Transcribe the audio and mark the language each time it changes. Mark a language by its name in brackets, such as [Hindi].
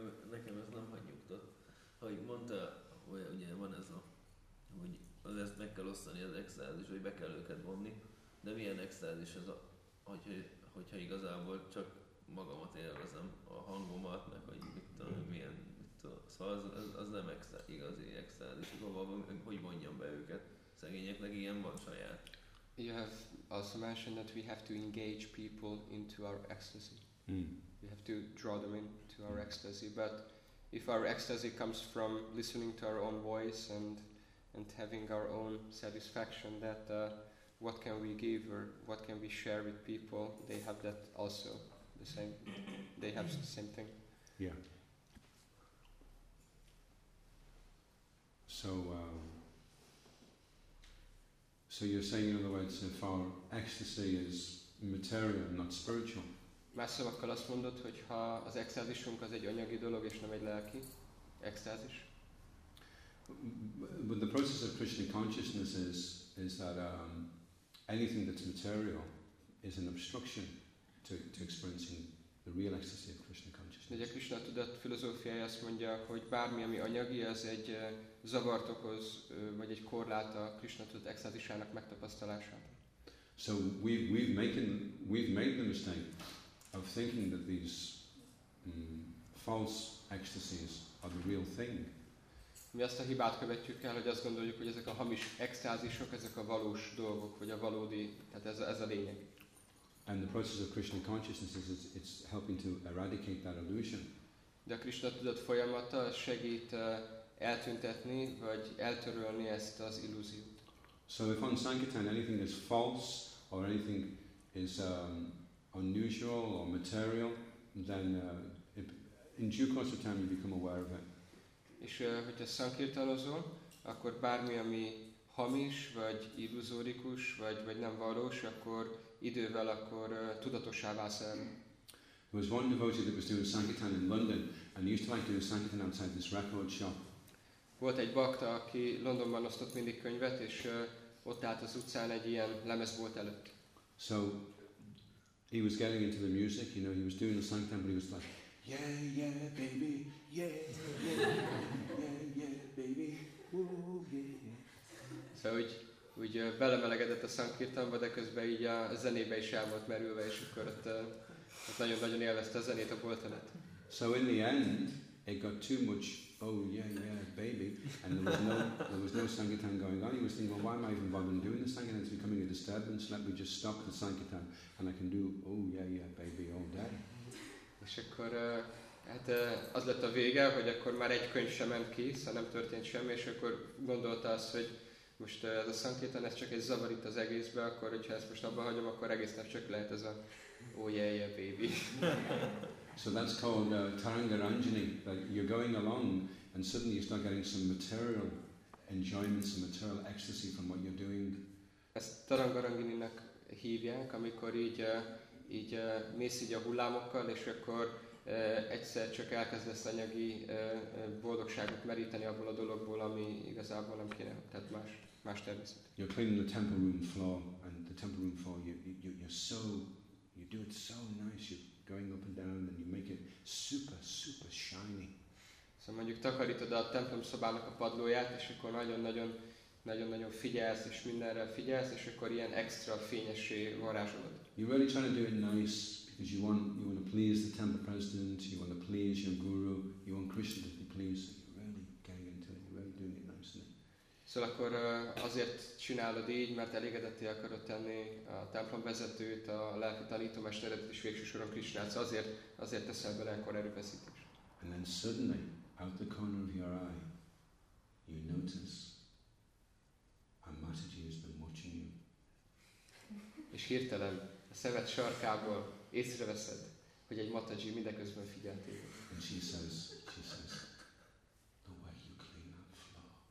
[Hungarian] Nekem ez nem hagyjuktat. Hogy mondta, hogy ugye van ez a, hogy ezt meg kell osztani az extázis, hogy be kell őket vonni, de milyen extázis ez, hogyha igazából csak magamat élvezem, a hangomat, meg hogy mit tudom, milyen, mit tudom. Szóval az nem igazi extázis, hogy mondjam be őket, szegényeknek ilyen van saját. [English] You have also mentioned that we have to engage people into our ecstasy. Mm. We have to draw them into our ecstasy. But if our ecstasy comes from listening to our own voice and having our own satisfaction, that what can we give or what can we share with people? They have that also, the same. They have the same thing. Yeah. So you're saying, in other words, if our ecstasy is material, not spiritual. [Hungarian] Más szavakkal azt mondod, hogy ha az extázisunk az egy anyagi dolog és nem egy lelki extázis. [English] But the process of Krishna consciousness is that anything that's material is an obstruction to experiencing the real ecstasy of Krishna consciousness. [Hungarian] De a Krishna tudat filozófiája azt mondja, hogy bármi, ami anyagi, az egy zavart okoz, vagy egy korlát a Krishna tudat extázisának megtapasztalására. [English] So we've made the mistake of thinking that these false ecstasies are the real thing. [Hungarian] Mi azt a hibát követjük el, hogy azt gondoljuk, hogy ezek a hamis extázisok, ezek a valós dolgok, vagy a valódi, tehát ez a lényeg. [English] And the process of Krishna consciousness is it's helping to eradicate that illusion. [Hungarian] De a Krishna tudat folyamata segít eltüntetni vagy eltörölni ezt az illúziót. [English] So if on Sankirtan anything is false or anything is unusual or material, then in due course of time you become aware of it. [Hungarian] És hogyha szankirtanozol, akkor bármi, ami hamis vagy illuzórikus vagy nem valós, akkor idővel akkor tudatossá válsz. [English] There was one devotee that was doing Sankirtan in London, and he used to like doing Sankirtan outside this record shop. [Hungarian] Volt egy bakta, aki Londonban osztott mindig könyvet, és ott állt az utcán egy ilyen lemezbolt előtt. [English] So he was getting into the music, you know, he was doing the Sankirtan, but he was like, yeah, yeah, baby, yeah, yeah, yeah, yeah, baby, woo, yeah. [Hungarian] So úgy belemelegedett a Sankirtanba, de közben így a zenébe is el volt merülve, és akkor ott nagyon-nagyon élvezte a zenét, a boltanát. [English] So in the end, it got too much, oh yeah, yeah, baby, and there was no Sankirtan going on. He was thinking, well, why am I even bothering doing the Sankirtan? It's becoming a disturbance, let me just stop the Sankirtan, and I can do, oh yeah, yeah, baby, all day. [Hungarian] És akkor az lett a vége, hogy akkor már egy könyv sem ment ki, szóval nem történt semmi, és akkor gondolta azt, hogy most ez a Sankirtan, ez csak egy zavar itt az egészbe, akkor hogyha ezt most abban hagyom, akkor egész nap csak lehet ez a [English] oh yeah, yeah, baby. So that's called Tarangaranjani, that you're going along and suddenly you start getting some material enjoyment, some material ecstasy from what you're doing. [Hungarian] Ezt Tarangaranjaninak hívják, amikor így mész így a hullámokkal, és akkor egyszer csak elkezdesz anyagi boldogságot meríteni abból a dologból, ami igazából nem kéne, tehát más természet. [English] You're cleaning the temple room floor, and the temple room floor, you do it so nice, you're going up and down, and you make it super, super shiny. [Hungarian] Szóval mondjuk takarítod a templom szobának a padlóját, és akkor nagyon-nagyon figyelsz, és mindenre figyelsz, és akkor ilyen extra fényessé varázsolod. [English] You're really trying to do it nice, because you want to please the temple president, you want to please your guru, you want Krishna to be pleased, so you're really getting into it, you're really doing it nicely. [Hungarian] Szóval akkor azért csinálod így, mert elégedetté akarod tenni a templom vezetőt, a lelki tanítómesteret és végső soron Krisnát, szóval azért teszel bele ekkor erőfeszítés. [English] And then suddenly, out the corner of your eye, you notice a Mataji has been watching you. [Hungarian] És hirtelen a szemed sarkából észreveszed, hogy egy Mataji mindeközben figyel téged. [English] And she says, the way you clean up floor.